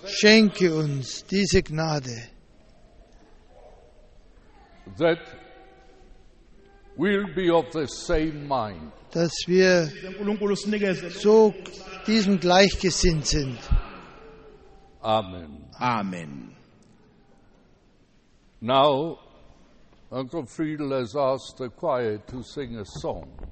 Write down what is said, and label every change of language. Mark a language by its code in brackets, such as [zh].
[de] schenke uns diese Gnade, [en] that we'll be of the same mind, [de] dass wir so diesem gleichgesinnt sind. Amen. Amen. [en] Now, Uncle Friedel has asked the choir to sing a song.